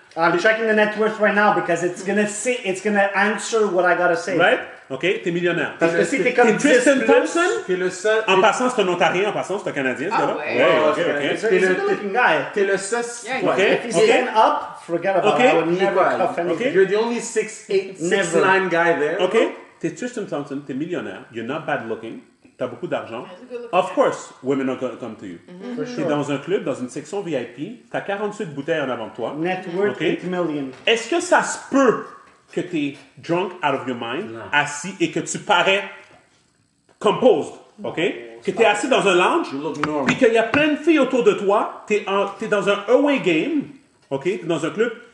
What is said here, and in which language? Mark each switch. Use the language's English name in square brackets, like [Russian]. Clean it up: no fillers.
[English] I'm checking the net worth right now because it's gonna answer what I gotta say. Right? [French] OK, t'es millionnaire. Parce que si t'es comme Tristan Thompson, t'es le seul, en passant, c'est un Ontarien, en passant, c'est un Canadien, c'est là. Ouais, OK. [English] He's a good looking guy. [French] T'es le seul. Yeah, [English] okay. If he's in up, forget about it. I would never cuff anything. Okay. You're the only 6'8", 6'9 guy there. [French] OK, t'es Tristan Thompson, t'es millionnaire, [English] you're not bad looking. [French] T'as beaucoup d'argent. [English] Of course, women are going to come to you. Mm-hmm. For sure. [French] T'es dans un club, dans une section VIP, t'as 48 bouteilles en avant de toi. [English] Net worth okay. 8 million. [French] Est-ce que ça se peut que t'es [English] drunk out of your mind, [French] non. Assis et que tu parais composed, OK? Que t'es assis dans un lounge, puis qu'il y a plein de filles autour de toi, t'es dans un away game, OK? T'es dans un club.